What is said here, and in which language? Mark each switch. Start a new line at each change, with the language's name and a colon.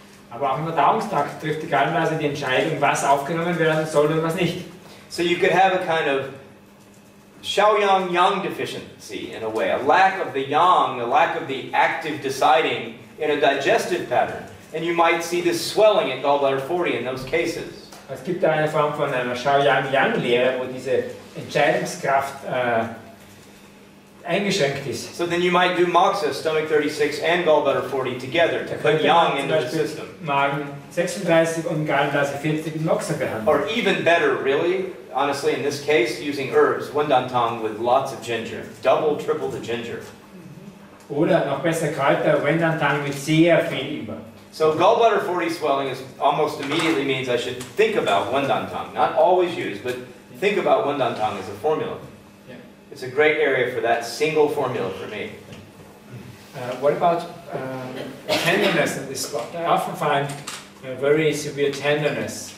German: Aber auch im Verdauungstrakt trifft die Gallenblase die Entscheidung, was aufgenommen werden soll und was nicht.
English: So you could have a kind of Xiaoyang yang deficiency in a way, a lack of the yang, a lack of the active deciding in a digestive pattern. And you might see this swelling at gallbladder 40 in those cases.
German: Es gibt da eine Form von einer Xiaoyang-Yang-Lehre, wo diese Entscheidungskraft eingeschränkt ist.
English: So then you might do moxa, stomach 36 and gallbladder 40 together to put yang into the system.
German: Magen 36 und Gallenblase 40 mit moxa behandeln.
English: Or even better, really, honestly, in this case, using herbs, wendantang with lots of ginger, double, triple the ginger.
German: Oder noch besser Kräuter, wendantang mit sehr viel über.
English: So gallbladder 40 swelling is almost immediately means I should think about wendantang. Not always use, but think about wendantang as a formula. Yeah. It's a great area for that single formula for me. What about tenderness in this spot? I often find a very severe tenderness.